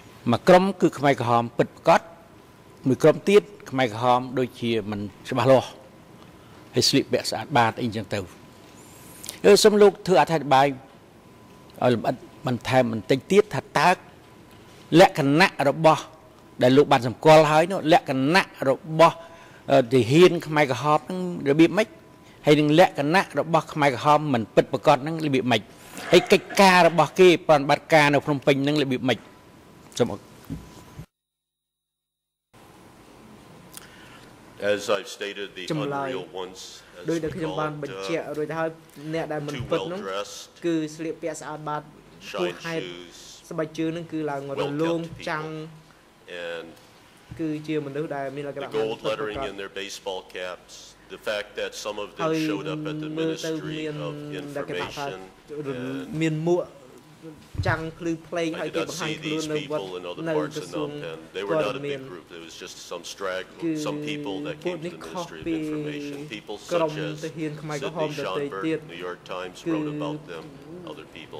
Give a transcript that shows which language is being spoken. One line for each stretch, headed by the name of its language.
Khmer: មួយក្រុមគឺខ្មែរក្រហមពិតប្រកបមួយក្រុមទៀតខ្មែរក្រហមដូចជាមិនច្បាស់លាស់ហើយស្លៀកពាក់ស្អាតបាតអីចឹងទៅអឺសូមលោកធ្វើអធិប្បាយឲ្យលម្អិតបន្ថែមបន្តិចទៀតថាតើលក្ខណៈរបស់ដែលលោកបានសម្គាល់ហើយនោះលក្ខណៈរបស់ទាហានខ្មែរក្រហមហ្នឹងរបៀបម៉េចហើយនឹងលក្ខណៈរបស់ខ្មែរក្រហមមិនពិតប្រកបហ្នឹងរបៀបម៉េចហើយកិច្ចការរបស់គេប្រតិបត្តិការនៅភ្នំពេញហ្នឹងរបៀបម៉េច
English: As I've stated, the unreal ones, as we call it, too well dressed, shine shoes, well-kept people, and the gold lettering in their baseball caps, the fact that some of them showed up at the Ministry of Information, and
Khmer: ចាំងភ្លឺភ្លេងហើយគេបង្ហាញខ្លួននៅវត្តនៅក្នុង តែ
English: they were not a big group it was just some straggle some people that came to the Ministry of Information people such as
Khmer: ក្រុមទាហានខ្មែរក្រហមដែលទៀត
English: New York Times wrote about them other people